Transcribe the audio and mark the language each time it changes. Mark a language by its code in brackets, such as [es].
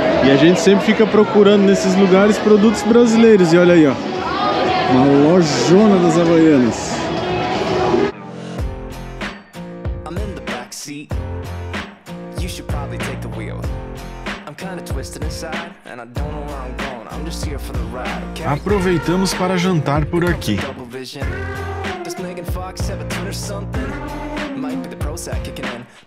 [pt] A gente sempre fica procurando nesses lugares produtos brasileiros. E olha aí, ó, uma lojona das Havaianas. [en] I'm in the back seat. You should probably take the wheel. I'm kinda twisted inside and I don't know where I'm going. I'm just here for the ride. [pt] Aproveitamos para jantar por aqui. [en] Does Megan Fox have a tune or something? Might be the Prozac kicking in.